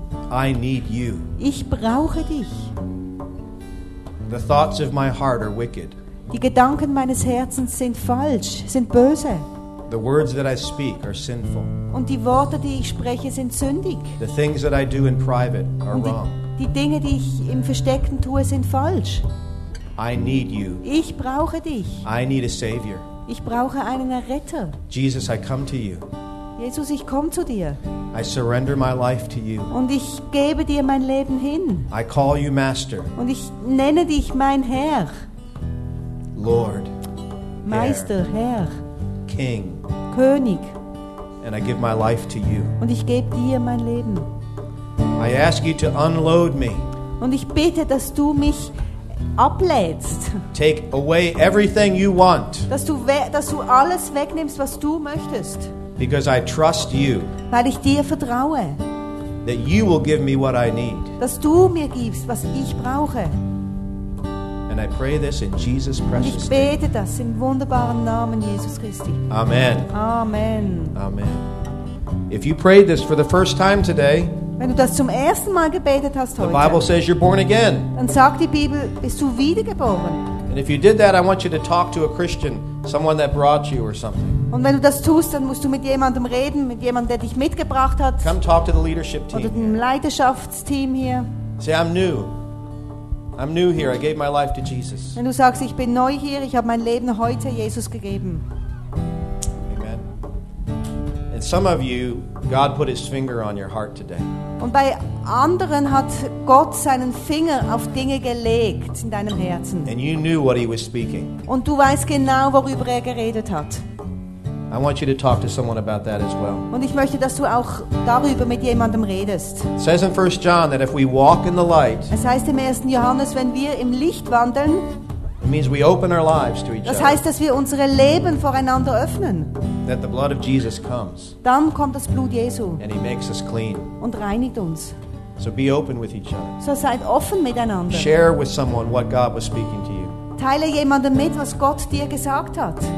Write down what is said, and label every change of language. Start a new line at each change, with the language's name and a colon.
English: I need you.
German: Ich brauche dich.
English: The thoughts of my heart are wicked.
German: Die Gedanken meines Herzens sind falsch, sind böse.
English: The words that I speak are sinful.
German: Und die Worte, die ich spreche, sind sündig.
English: The things that I do in private are wrong.
German: Die Dinge, die ich im Verstecken tue, sind falsch.
English: I need you.
German: Ich brauche dich.
English: I need a savior.
German: Ich brauche einen Erretter.
English: Jesus, I come to you.
German: Jesus, ich komme zu dir.
English: I surrender my life to you.
German: Und ich gebe dir mein Leben hin.
English: I call you master.
German: Und ich nenne dich mein Herr.
English: Lord.
German: Meister, Herr.
English: King.
German: König.
English: And I give my life to you.
German: Und ich gebe dir mein Leben.
English: I ask you to unload me.
German: Und ich bitte, dass du mich ablädst.
English: Take away everything you want.
German: Dass du alles wegnimmst, was du möchtest.
English: Because I trust you.
German: Weil ich dir vertraue.
English: That you will give me what I need.
German: Dass du mir gibst, was ich brauche.
English: And I pray this in Jesus' precious name.
German: Ich bete das im wunderbaren Namen Jesus Christi.
English: Amen.
German: Amen.
English: Amen. If you prayed this for the first time today,
German: wenn du das zum ersten Mal gebetet hast heute,
English: the Bible says you're born again.
German: Dann sagt die Bibel, bist du wiedergeboren.
English: And if you did that, I want you to talk to a Christian, someone that brought you or something.
German: Und wenn du das tust, dann musst du mit jemandem reden, mit jemandem, der dich mitgebracht hat.
English: Come talk to the leadership team.
German: Oder dem Leiterschaftsteam hier.
English: Say, I'm new. I'm new here. I gave my life to Jesus.
German: Wenn du sagst, ich bin neu hier, ich habe mein Leben heute Jesus gegeben.
English: Amen. And some of you, God put His finger on your heart today.
German: Und bei anderen hat Gott seinen Finger auf Dinge gelegt in deinem Herzen.
English: And you knew what He was speaking.
German: Und du weißt genau, worüber er geredet hat.
English: I want you to talk to someone about that as well.
German: Und ich möchte, dass du auch darüber mit jemandem redest.
English: It says in 1 John that if we walk in the light.
German: Es heißt im 1. Johannes, wenn wir im Licht wandeln.
English: It means we open our lives to each
German: das
English: other.
German: Das heißt, dass wir unsere Leben voreinander öffnen.
English: That the blood of Jesus comes.
German: Dann kommt das Blut Jesu.
English: And He makes us clean.
German: Und reinigt uns.
English: So be open with each other.
German: So seid offen miteinander.
English: Share with someone what God was speaking to you.
German: Teile jemandem mit, was Gott dir gesagt hat.